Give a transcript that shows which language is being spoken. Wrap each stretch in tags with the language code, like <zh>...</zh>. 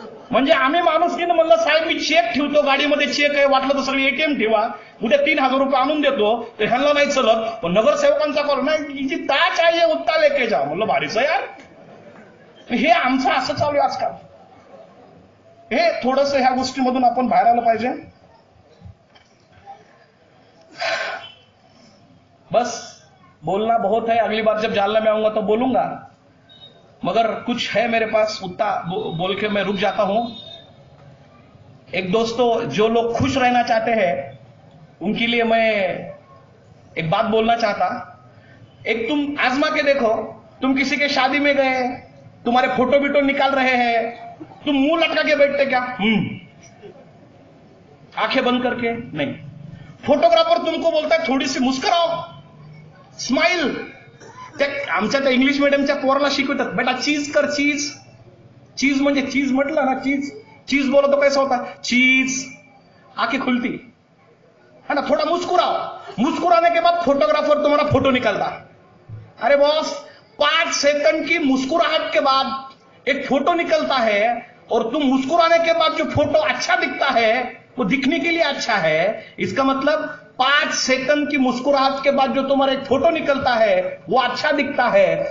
<mr>म्हणजे आम्ही माणूस की म्हणलं साहेब मी चेक ठेवतो गाडीमध्ये, चेक आहे वाटलं तर सगळं एटीएम ठेवा, उद्या 3 हजार रुपये आणून देतो. तर ह्यांना नाही चलत, पण नगरसेवकांचा कॉल नाही जी ताच आई आहे</mr> <hi>उत्ता लेके जा.</hi> <mr>म्हणलं भारीच यार, हे आमचं असं चालू आहे आजकाल. हे थोडस ह्या गोष्टीमधून आपण बाहेर आलं पाहिजे.</mr> <hi>बस बोलना बहुत है, अगली बार जब जालना मैं आऊंगा तो बोलूंगा. मगर कुछ है मेरे पास उत्ता बोल के मैं रुक जाता हूं. एक दोस्तों, जो लोग खुश रहना चाहते हैं उनके लिए मैं एक बात बोलना चाहता. एक तुम आजमा के देखो, तुम किसी के शादी में गए, तुम्हारे फोटो बिटो निकाल रहे हैं, तुम मुंह लटका के बैठते क्या? आंखें बंद करके नहीं. फोटोग्राफर तुमको बोलता है थोड़ी सी मुस्कराओ, स्माइल.</hi> <mr>आमच्या त्या इंग्लिश मीडियमच्या पोरला शिकवतात,</mr> <hi>बेटा चीज कर चीज.</hi> <mr>चीज म्हणजे चीज म्हटलं ना, चीज</mr> <hi>चीज बोलो तो कैसा होता है, चीज आंखें खुलती है ना, थोड़ा मुस्कुराओ, मुस्कुराने के बाद फोटोग्राफर तुम्हारा फोटो निकालता। अरे बॉस, 5 सेकंड की मुस्कुराहट के बाद एक फोटो निकलता है, और तुम मुस्कुराने के बाद जो फोटो अच्छा दिखता है वो दिखने के लिए अच्छा है, इसका मतलब 5 सेकंड की मुस्कुराहट के बाद जो तुम्हारा एक फोटो निकलता है वो अच्छा दिखता है।</hi>